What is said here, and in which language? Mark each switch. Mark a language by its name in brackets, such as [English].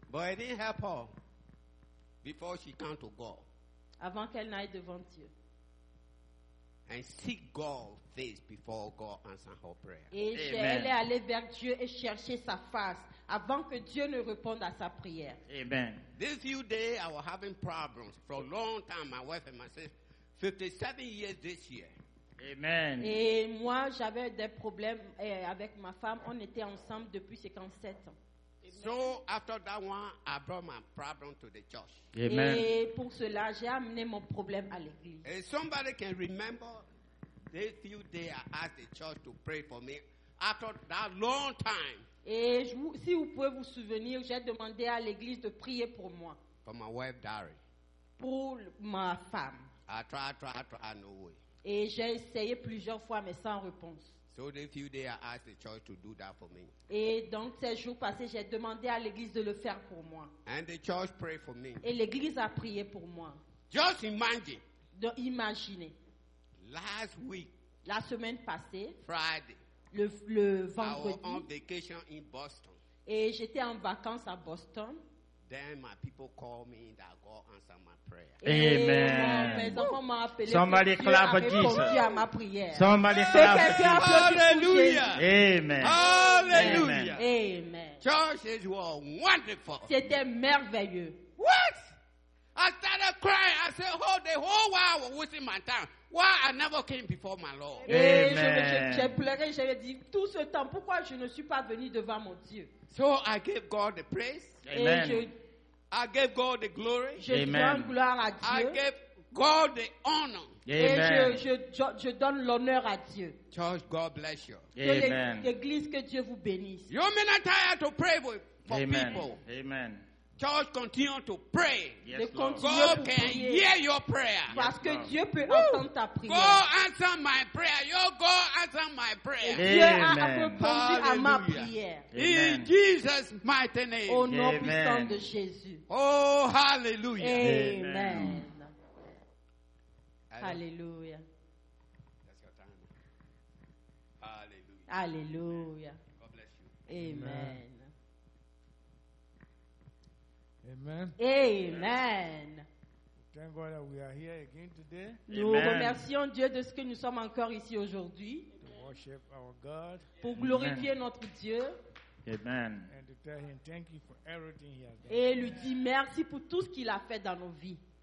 [English] But it didn't help her before she came to God. [French] Avant qu'elle n'aille devant Dieu. [English] And seek God's face before God answer her prayer. [French] Et elle est allée vers Dieu et chercher sa face avant que Dieu ne réponde à sa prière. [English] Amen. These few days I was having problems for a long time. My wife and myself, 57 years this year. Amen. [French] Et moi, j'avais des problèmes avec ma femme. On était ensemble depuis 57 ans. [English] So after that one, I brought my problem to the church. Amen. [French] Et pour cela, j'ai amené mon problème à l'église. [English] If somebody can remember the few days I asked the church to pray for me after that long time. [French] Et si vous pouvez vous souvenir, j'ai demandé à l'église de prier pour moi. [English] For my wife, Dari. [French] Pour ma femme. [English] I try, no way. [French] Et j'ai essayé plusieurs fois, mais sans réponse. [English] So the few days I asked the church to do that for me. [French] Et donc ces jours passés, j'ai demandé à l'église de le faire pour moi. [English] And the church prayed for me. [French] Et l'église a prié pour moi. [English] Just imagine. [French] Donc imaginez. [English] Last week. [French] La semaine passée. [English] Friday. [French] Le vendredi. [English] I was on vacation in Boston. [French] Et j'étais en vacances à Boston. [English] Then my people call me that God answered my prayer. Amen. Somebody clap for Jesus. Somebody clap for Jesus. Hallelujah. Amen. Hallelujah. Amen. Churches were wonderful. [French] C'était merveilleux. [English] What? I started crying. I said, oh, the whole world was wasting my time. Why I never came before my Lord? Amen. [French] J'ai pleuré. J'avais dit tout ce temps. Pourquoi je ne suis pas venu devant mon Dieu? [English] So I gave God the praise. Amen. I gave God the glory. [French] Amen. Je donne gloire à Dieu. [English] I gave God the honor. Amen. [French] Je donne l'honneur à Dieu. [English] Church, God bless you. Amen. [French] L'église, que Dieu vous bénisse. [English] You may not tired to pray for Amen. People. Amen. Church, continue to pray. Yes, Lord. God can hear your prayer. [French] Parce que Dieu peut entendre ta prière. [English] God answer my prayer. Your God answer my prayer. [French] Amen. Dieu a répondu à ma prière. [English] In Jesus' mighty name. [French] Au nom puissant de Jésus. [English] Oh, hallelujah. Amen. Hallelujah. That's your time. Hallelujah. Hallelujah. God bless you. Amen. Amen. Amen. Thank God that we are here again today. [French] Nous remercions Dieu de ce que nous sommes encore ici aujourd'hui. [English] To worship our God. [French] Pour glorifier notre Dieu. [English] Amen. And to tell him thank you for everything he has done. [French] Et lui dit merci pour tout ce qu'il a fait dans nos vies.